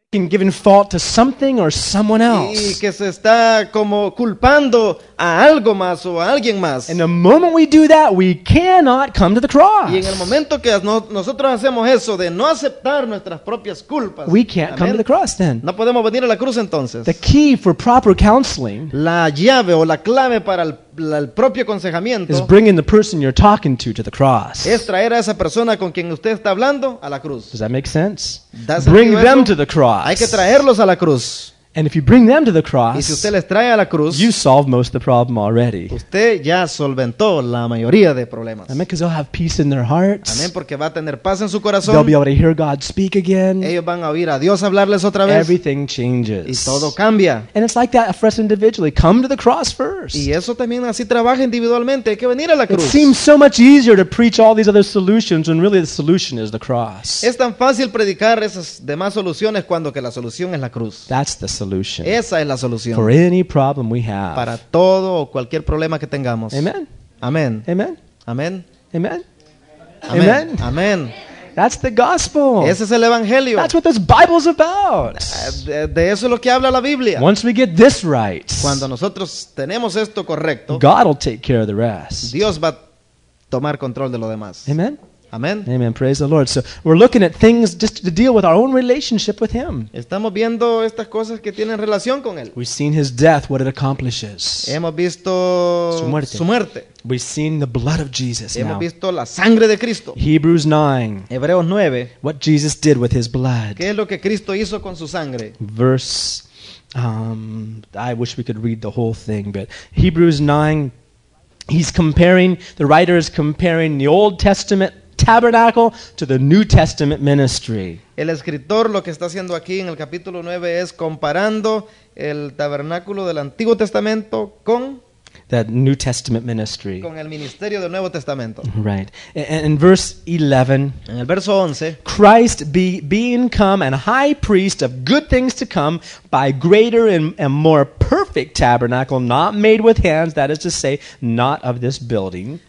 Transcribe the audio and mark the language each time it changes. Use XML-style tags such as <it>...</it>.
<en>Giving fault to something or someone else.</en> <es>Y que se está como culpando a algo más o a alguien más.</es> <en>And the moment we do that, we cannot come to the cross.</en> <es>Y en el momento que nosotros hacemos eso de no aceptar nuestras propias culpas,</es> <en>we can't come to the cross then.</en> <es>No podemos venir a la cruz entonces.</es> <en>The key for proper counseling,</en> <es>la llave o la clave para el propio aconsejamiento,</es> <en>is bringing the person you're talking to the cross.</en> <es>Es traer a esa persona con quien usted está hablando a la cruz.</es> <en>Does that make sense? Bring them to the cross.</en> <es>Hay que traerlos a la cruz.</es> <en>And if you bring them to the cross,</en> <es>y si usted les trae a la cruz,</es> <en>you solve most of the problem already.</en> <es>Usted ya solventó la mayoría de problemas.</es> <en>Amen, because they'll have peace in their hearts.</en> <es>Amen, porque va a tener paz en su corazón.</es> <en>They'll be able to hear God speak again.</en> <es>Ellos van a oír a Dios hablarles otra vez.</es> <en>Everything changes.</en> <es>Y todo cambia.</es> <en>And it's like that for us individually. Come to the cross first.</en> <es>Y eso también así trabaja individualmente. Hay que venir a la cruz.</es> <en>It seems so much easier to preach all these other solutions when really the solution is the cross.</en> <es>Es tan fácil predicar esas demás soluciones cuando que la solución es la cruz.</es> <en>That's the solution.</en> <es>Esa es la solución.</es> <en>For any problem we have.</en> <es>Para todo o cualquier problema que tengamos.</es> <en>Amen. Amen. Amen. Amen. Amen. Amen. Amen. That's the gospel.</en> <es>Ese es el evangelio.</es> <en>That's what this Bible's about.</en> <es>De eso es lo que habla la Biblia.</es> <en>Once we get this right,</en> <es>cuando nosotros tenemos esto correcto,</es> <en>God will take care of the rest.</en> <es>Dios va a tomar control de lo demás.</es> <en>Amen. Amen. Amen. Praise the Lord. So we're looking at things just to deal with our own relationship with Him.</en> <es>Estamos viendo estas cosas que tienen relación con Él.</es> <en>We've seen His death, what it accomplishes.</en> <es>Hemos visto su muerte.</es> <en>We've seen the blood of Jesus.</en> <es>Hemos</es> <en>now</en> <es>visto la sangre de Cristo.</es> <en>Hebrews 9.</en> <es>Hebreos 9.</es> <en>What Jesus did with His blood.</en> <es>¿Qué es lo que Cristo hizo con su sangre?</es> <en>I wish we could read the whole thing, but Hebrews 9. The writer is comparing the Old Testament tabernacle to the New Testament ministry.</en> <es>El escritor lo que está haciendo aquí en el capítulo 9 es comparando el tabernáculo del Antiguo Testamento con</es> <en>the New Testament ministry.</en> <es>Con el ministerio del Nuevo Testamento.</es> <en>Right. In verse 11,</en> <es>en el verso 11,</es> <en>Christ being come and high priest of good things to come by greater and more perfect tabernacle, not made with hands, that is to say, not of this building.</en>